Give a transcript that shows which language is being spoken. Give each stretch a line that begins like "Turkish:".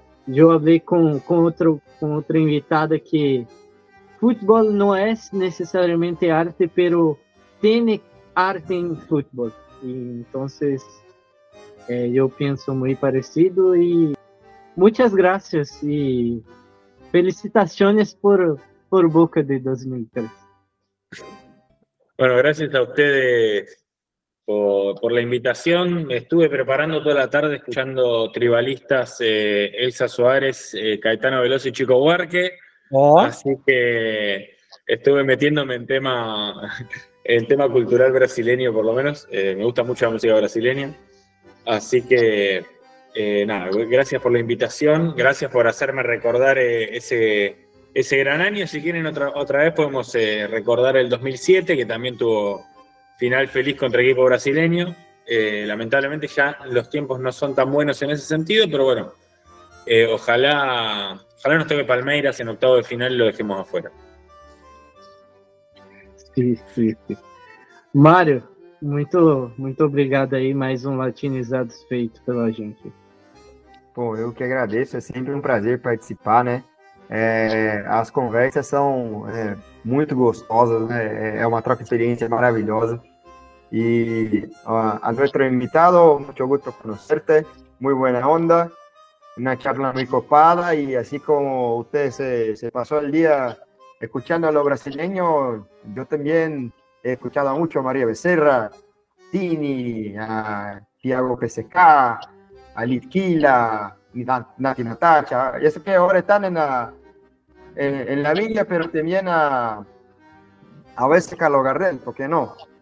Portuguese: Eu falei com outro invitado que futebol não é necessariamente arte, pero tem arte em futebol. Então, eu penso muito parecido e muitas graças e felicitações por Boca de 2003.
Spanish: Bueno, gracias a ustedes por la invitación. Me estuve preparando toda la tarde escuchando tribalistas Elsa Suárez, Caetano Veloso y Chico Buarque. Oh. Así que estuve metiéndome en tema cultural brasileño, por lo menos. Me gusta mucho la música brasileña. Así que, nada, gracias por la invitación. Gracias por hacerme recordar ese gran año. Si quieren, otra vez podemos recordar el 2007, que también tuvo final feliz contra equipo brasileño. Lamentablemente ya los tiempos no son tan buenos en ese sentido, pero bueno, ojalá nos toque Palmeiras en octavo de final y lo dejemos afuera. Sí, sí, sí.
Portuguese: Mario, muito obrigado aí, mais latinizados feito pela gente. Pô, eu que agradeço, é sempre prazer participar, né? As conversas são muito gostosas, né? É uma troca de experiência maravilhosa.
Spanish: Y a nuestro invitado, mucho gusto conocerte, muy buena onda, una charla muy copada, y así como usted se pasó el día escuchando a los brasileños, yo también he escuchado mucho a María Becerra, Tini, a Thiago PSK, a Litquila, Nati Natacha, ya sé que ahora están en la villa, pero también a veces Carlos Gardel, ¿por qué no?